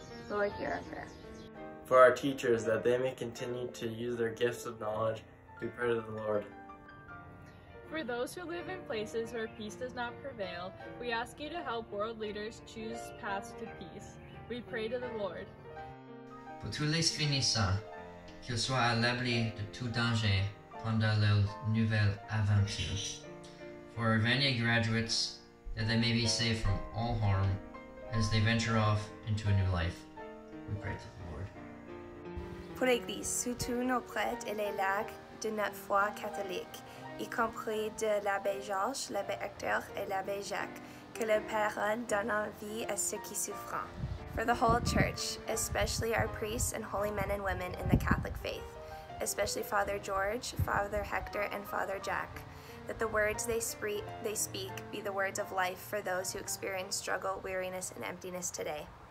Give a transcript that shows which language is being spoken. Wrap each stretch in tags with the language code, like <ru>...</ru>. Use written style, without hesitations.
<en>Lord, hear our prayer. For our teachers, that they may continue to use their gifts of knowledge, we pray to the Lord. For those who live in places where peace does not prevail, we ask you to help world leaders choose paths to peace. We pray to the Lord.</en> <fr>Pour tous les finissants, qu'ils soient à l'abri de tout danger pendant leur nouvelle aventure.</fr> <en>For our Vanier graduates, that they may be safe from all harm as they venture off into a new life. We pray to the Lord.</en> <fr>Pour l'Église, surtout nos prêtres et les laïcs de notre foi catholique, y compris de l'abbé Georges, l'abbé Hector et l'abbé Jacques, que le Père donne envie à ceux qui souffrent.</fr> <en>For the whole Church, especially our priests and holy men and women in the Catholic faith, especially Father George, Father Hector, and Father Jack, that the words they speak be the words of life for those who experience struggle, weariness, and emptiness today.</en>